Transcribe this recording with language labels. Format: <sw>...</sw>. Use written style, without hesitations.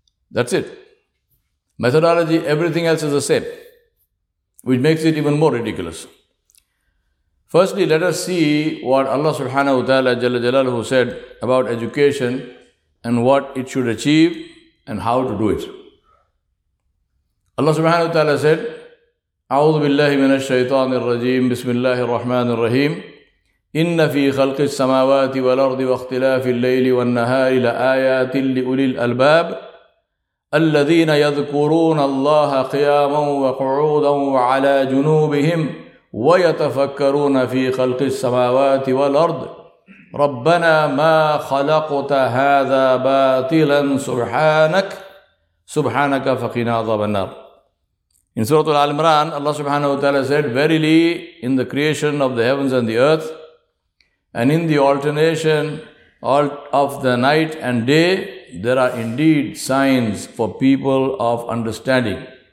<en>That's it. Methodology, everything else is the same, which makes it even more ridiculous. Firstly, let us see what Allah subhanahu wa ta'ala jalla jalaluhu said about education and what it should achieve and how to do it. Allah subhanahu wa ta'ala said,</en> <ar>أعوذ بالله من الشيطان الرجيم بسم الله الرحمن الرحيم إن في خلق السماوات والأرض واختلاف الليل والنهار لآيات لأولي الألباب الذين يذكرون الله قياما وقعودا وعلى جنوبهم ويتفكرون في خلق السماوات والأرض ربنا ما خلقت هذا باطلا سبحانك فقنا عذاب النار.</ar> <en>In Surah Al-Imran, Allah subhanahu wa ta'ala said, verily, in the creation of the heavens and the earth, and in the alternation of the night and day, there are indeed signs for people of understanding.</en>